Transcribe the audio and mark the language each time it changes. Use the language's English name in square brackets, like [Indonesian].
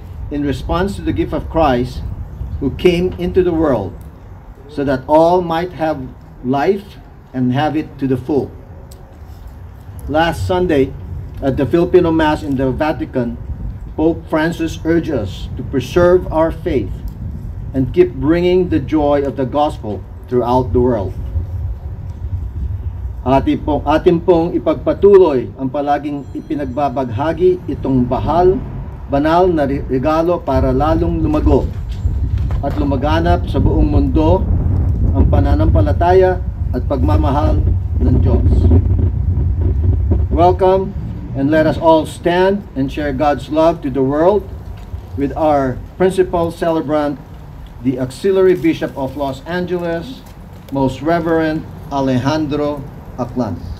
[English] In response to the gift of Christ, who came into the world so that all might have life and have it to the full. Last Sunday, at the Filipino Mass in the Vatican, Pope Francis urged us to preserve our faith and keep bringing the joy of the gospel throughout the world. [Filipino] Atin pong ipagpatuloy ang palaging ipinagbabaghagi itong banal na regalo para lalong lumago at lumaganap sa buong mundo ang pananampalataya at pagmamahal ng Diyos. [English] Welcome, and let us all stand and share God's love to the world with our principal celebrant, the Auxiliary Bishop of Los Angeles, Most Reverend Alejandro Aclan.